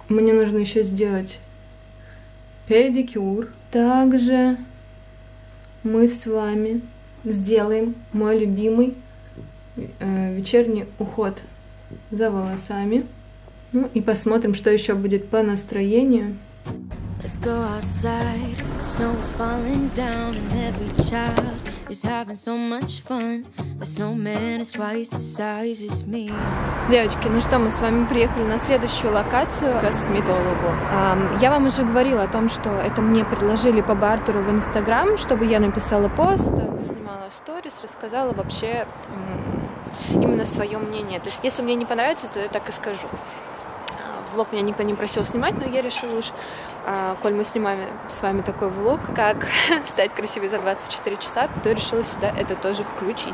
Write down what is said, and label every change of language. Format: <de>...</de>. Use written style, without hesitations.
<ru>Мне нужно еще сделать педикюр. Также мы с вами сделаем мой любимый вечерний уход за волосами. Ну и посмотрим, что еще будет по настроению.</ru> <en>Let's go outside. Snow is falling down and every child is having so much fun. The snowman is twice the size as me.</en> <ru>Девочки, ну что, мы с вами приехали на следующую локацию к косметологу. Я вам уже говорила о том, что это мне предложили по бартеру в Инстаграм, чтобы я написала пост, поснимала сторис, рассказала вообще, именно свое мнение. То есть, если мне не понравится, то я так и скажу. Влог меня никто не просил снимать, но я решила уж, коль мы снимаем с вами такой влог, как стать красивой за 24 часа, то решила сюда это тоже включить.</ru>